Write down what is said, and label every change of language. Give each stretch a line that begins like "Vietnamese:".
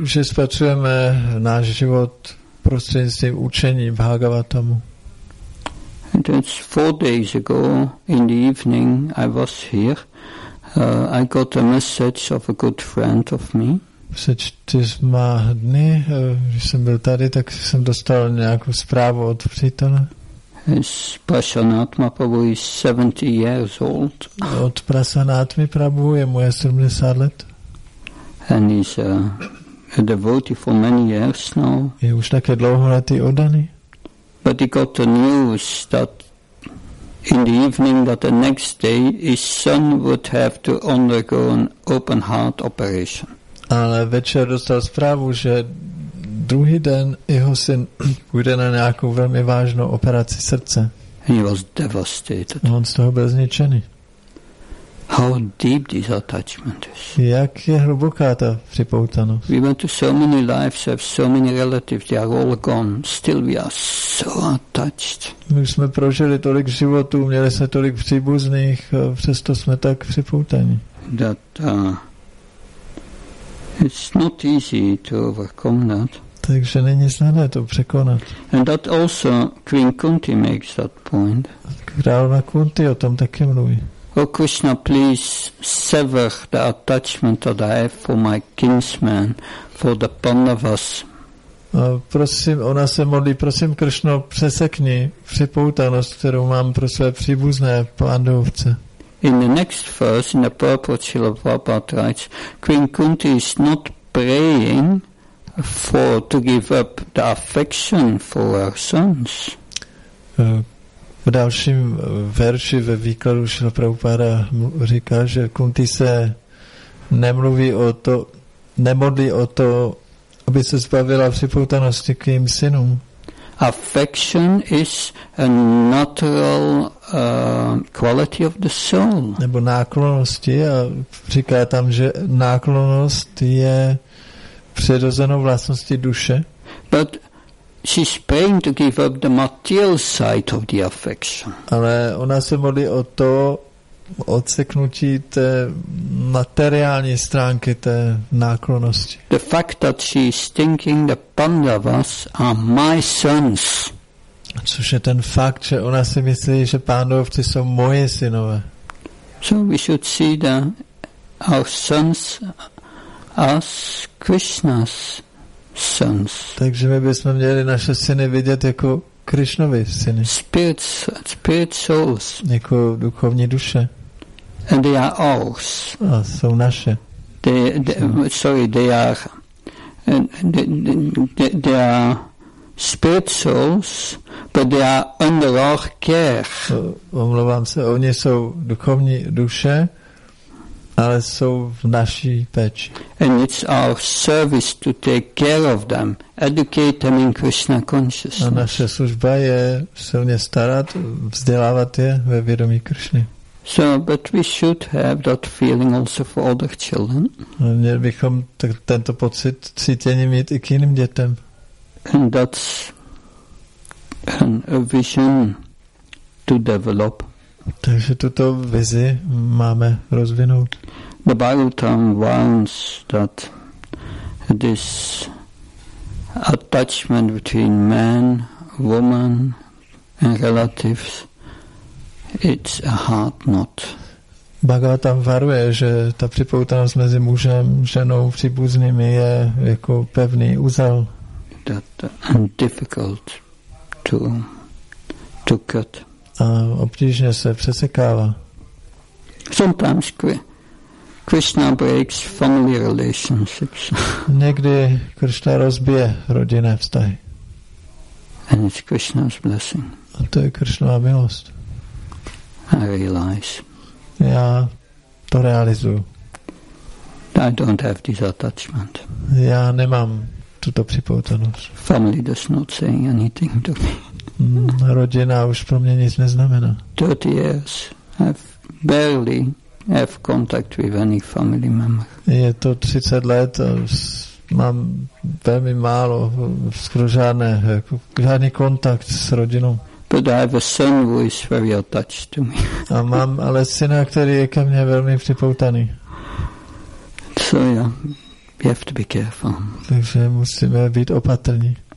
Czech: A že spatřujeme náš život prostřednictvím učení Bhagavatamu.
English: That's 4 days ago in the evening I was here. I got a message of a good friend of me.
Czech: Před 4 dny, když jsem byl tady, tak jsem dostal nějakou zprávu od přítele.
English: His Prasanatma Prabhu is 70 years old.
Czech: Od Prasanatmi Prabhu je mu 70 let.
English: And he's a devotee for many years now.
Czech: Je už také dlouholetý oddaný.
English: But he got the news that in the evening that the next day his son would have to undergo an open heart operation.
Czech: Ale večer dostal zprávu, že druhý den jeho syn půjde na nějakou velmi vážnou operaci srdce.
English: He was devastated.
Czech: On z toho byl zničený.
English: How deep this attachment is.
Czech: Jak je hluboká ta připoutanost.
English: We went to so many lives, have so many relatives, they are all gone. Still we are so attached.
Czech: My jsme prožili tolik životů, měli jsme tolik příbuzných, a přesto jsme tak připoutaní.
English: That, it's not easy to overcome that.
Czech: Takže není snadné to překonat.
English: And that also Queen Kunti makes that point.
Czech: Královna Kunti o tom taky mluví.
English: Oh Krishna, please sever the attachment that I have for my kinsmen, for the Pandavas.
Czech: Prosím, ona se modlí, prosím Krishna, přesekni připoutanost, kterou mám pro své příbuzné Pandavce.
English: In the next verse, in the purport, Srila Prabhupada writes, Queen Kunti is not praying for to give up the affection for her sons.
Czech: V dalším verši ve výkladu Srila Prabhupada říká, že Kunti se nemluví o to, nemodlí o to, aby se zbavila připoutanosti k jejím synům.
English: Affection is a natural quality of the soul.
Czech: Nebo náklonnost je, a říká tam, že náklonnost je přirozenou vlastností duše.
English: But she's praying to give up the material side of the affection.
Czech: Ale ona se modlí o to odseknutí té materiální stránky té náklonnosti.
English: The fact that she's thinking the Pandavas are my sons.
Czech: Což je ten fakt, že ona si myslí, že Pandavci jsou moje synové.
English: So we should see the our sons as Krishna's sons.
Czech: Takže my bychom měli naše syny vidět jako Krishnovy syny.
English: Spirit souls.
Czech: Jako duchovní duše.
English: And they are ours.
Czech: A jsou naše.
English: They are spirit souls, but they are under our care.
Czech: Omlouvám se, oni jsou duchovní duše, ale jsou v naší péči.
English: And it's our service to take care of them, educate them in Krishna consciousness.
Czech: A naše služba je se o ně starat, vzdělávat je ve vědomí Krishny.
English: So, but we should have that feeling also for older children.
Czech: A měli bychom tento pocit cítění mít i k jiným dětem.
English: And that's a vision to develop.
Czech: Takže tuto vizi máme rozvinout.
English: The Bhagavatam warns that this attachment between man, woman and relatives, it's a hard knot.
Czech: Bhagavatam varuje, že ta připoutanost mezi mužem, ženou, příbuznými je jako pevný uzel.
English: That difficult to cut.
Czech: A obtížně se přesekává.
English: Sometimes Krishna breaks family relationships.
Czech: Někdy Krishna rozbije rodinné vztahy.
English: And it's Krishna's blessing.
Czech: A to je Krishnova milost.
English: I realize.
Czech: Já to realizuju.
English: I don't have this attachment.
Czech: Já nemám tuto připoutanost.
English: Family does not say anything to me.
Czech: Rodina už pro mě nic neznamená.
English: 30 years I've barely have contact with any family member.
Czech: Je to 30 let a mám velmi málo, skoro žádný kontakt s rodinou.
English: But I have a son who is very attached to me.
Czech: A mám ale syna, který je ke mně velmi připoutaný.
English: So yeah, you have to be careful.
Czech: Takže musíme být opatrní.